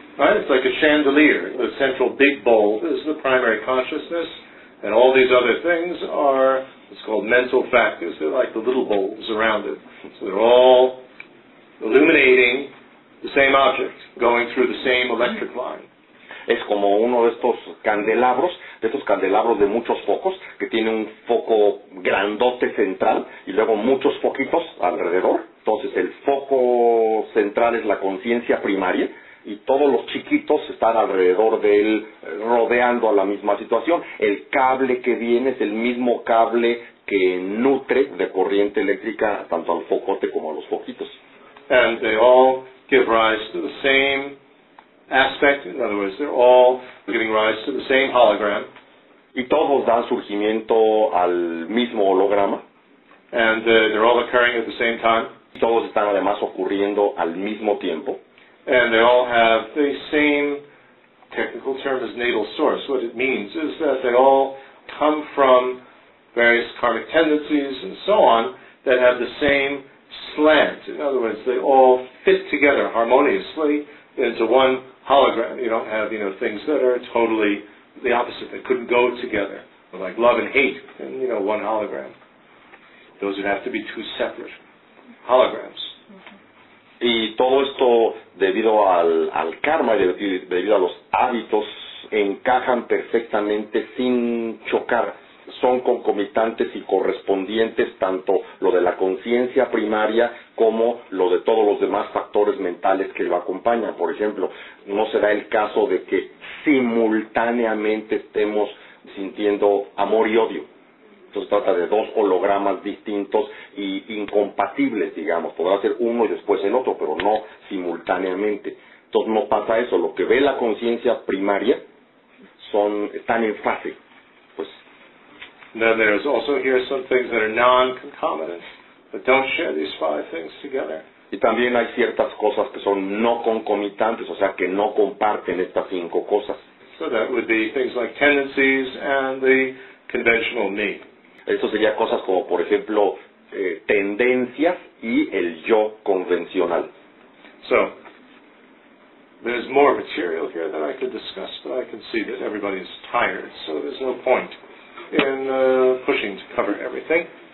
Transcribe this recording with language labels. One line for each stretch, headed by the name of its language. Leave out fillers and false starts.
English: Right? It's like a chandelier. The central big bulb is the primary consciousness. And all these other things are, it's called mental factors. They're like the little holes around it. So they're all illuminating the same object, going through the same electric line.
Spanish: Es como uno de estos candelabros de muchos focos, que tiene un foco grandote central y luego muchos foquitos alrededor. Entonces el foco central es la conciencia primaria y todos los chiquitos están alrededor de él, rodeando a la misma situación. El cable que viene es el mismo cable que nutre de corriente eléctrica tanto al focote como a los foquitos.
English: And they all give rise to the same aspect, in other words, they're all giving rise to the same hologram.
Spanish: Y todos dan surgimiento al mismo holograma.
English: And they're all occurring at the same time.
Spanish: Y todos están además ocurriendo al mismo tiempo.
English: And they all have the same technical term as natal source. What it means is that they all come from various karmic tendencies and so on that have the same slant. In other words, they all fit together harmoniously into one hologram. You don't have, you know, things that are totally the opposite, that couldn't go together, like love and hate in, you know, one hologram. Those would have to be two separate holograms.
Spanish: Y todo esto debido al karma y debido a los hábitos encajan perfectamente sin chocar. Son concomitantes y correspondientes tanto lo de la conciencia primaria como lo de todos los demás factores mentales que lo acompañan. Por ejemplo, no se da el caso de que simultáneamente estemos sintiendo amor y odio. Esto se trata de dos hologramas distintos e incompatibles, digamos. Podrá ser uno y después el otro, pero no simultáneamente. Entonces no pasa eso. Lo que ve la conciencia primaria están en fase.
English: Then there's also here some things that are non-concomitant, that don't share these five things together.
Spanish: Y también hay ciertas cosas que son no concomitantes, o sea, que no comparten estas cinco cosas.
English: So that would be things like tendencies and the conventional me.
Spanish: Esto sería cosas como, por ejemplo, tendencias y el yo convencional.
English: So, there's more material here that I could discuss, but I can see that everybody is tired, so there's no point in pushing to cover everything.